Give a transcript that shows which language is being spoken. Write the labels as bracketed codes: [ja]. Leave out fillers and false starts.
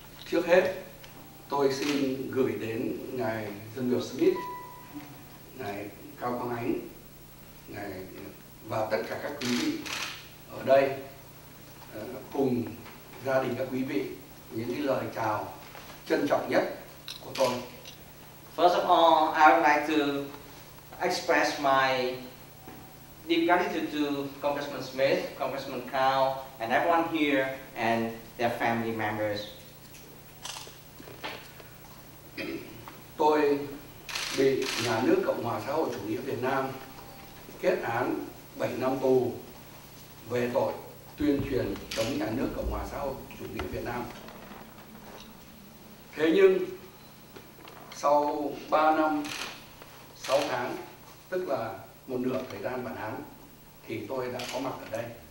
[vi] Trước hết, tôi xin gửi đến Ngài Dân Biểu Smith, Ngài Cao Quang Ánh, Ngài và tất cả các quý vị ở đây cùng gia đình các quý vị những lời chào trân trọng nhất của tôi. [en] First of all, I would like to express my deep gratitude to Congressman Smith, Congressman Cao, and everyone here, and their family members. [vi] Tôi bị nhà nước Cộng hòa xã hội chủ nghĩa Việt Nam kết án 7 năm tù về tội tuyên truyền chống nhà nước Cộng hòa xã hội chủ nghĩa Việt Nam. Thế nhưng sau 3 năm 6 tháng, tức là một nửa thời gian bản án, thì tôi đã có mặt ở đây.